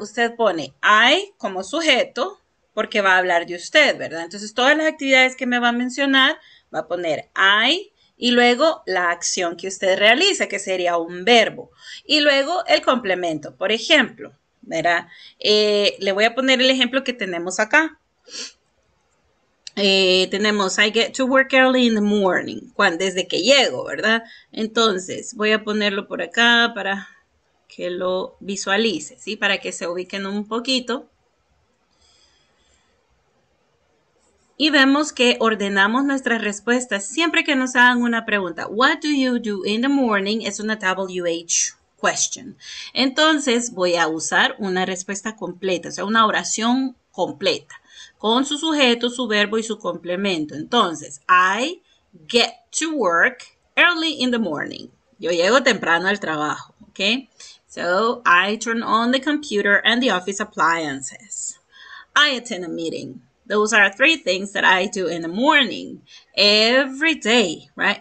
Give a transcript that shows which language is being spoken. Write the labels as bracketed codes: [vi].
[es] Usted pone I como sujeto porque va a hablar de usted, ¿verdad? Entonces, todas las actividades que me va a mencionar, va a poner I y luego la acción que usted realiza, que sería un verbo. Y luego el complemento, por ejemplo. ¿Verdad? Le voy a poner el ejemplo que tenemos acá. [en] Tenemos, I get to work early in the morning. [es] ¿Cuándo? Desde que llego, ¿verdad? Entonces, voy a ponerlo por acá para que lo visualice, ¿sí? Para que se ubiquen un poquito. Y vemos que ordenamos nuestras respuestas siempre que nos hagan una pregunta. [en] What do you do in the morning? [es] Es una [en] WH. Question. [es] Entonces, voy a usar una respuesta completa, o sea, una oración completa, con su sujeto, su verbo y su complemento. [en] Entonces, I get to work early in the morning. [es] Yo llego temprano al trabajo, [en] ¿ok? So, I turn on the computer and the office appliances. I attend a meeting. Those are three things that I do in the morning, every day, right?